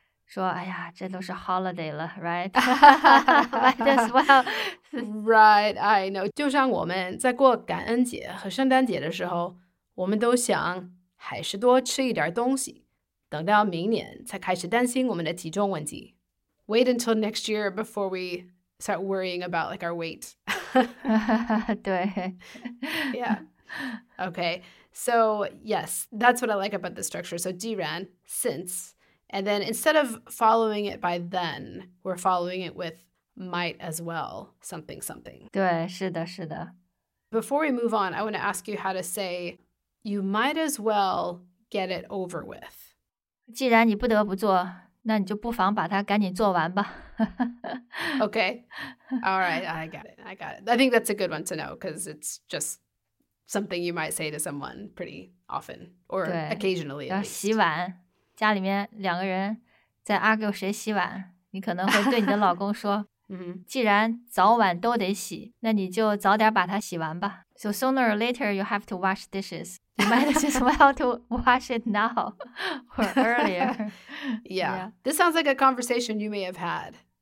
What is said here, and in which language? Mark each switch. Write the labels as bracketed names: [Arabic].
[Chinese] 说,哎呀,这都是 holiday 了, [English] right? Might as well. Right, I know. [Chinese] 就像我们在过感恩节和圣诞节的时候,我们都想还是多吃一点东西,等到明年才开始担心我们的体重问题。 [English] Wait until next year before we start worrying about like our weight. [Chinese] 对。 [English] Yeah. Okay. So yes, that's what I like about the structure. So 既然, since. And then instead of following it by then, we're following it with might as well, something, something. [Chinese] 对,是的,是的。 [English] Before we move on, I want to ask you how to say, you might as well get it over with. [Chinese] 既然你不得不做,那你就不妨把它赶紧做完吧。 [English] Okay. All right, I got it, I got it. I think that's a good one to know because it's just something you might say to someone pretty often or occasionally. [Chinese] 要洗碗。家里面两个人在 argue 谁洗碗，你可能会对你的老公说，既然早晚都得洗，那你就早点把它洗完吧。 [English] So sooner or later you have to wash dishes. You might as well to wash it now or earlier. Yeah. Yeah. This sounds like a conversation you may have had.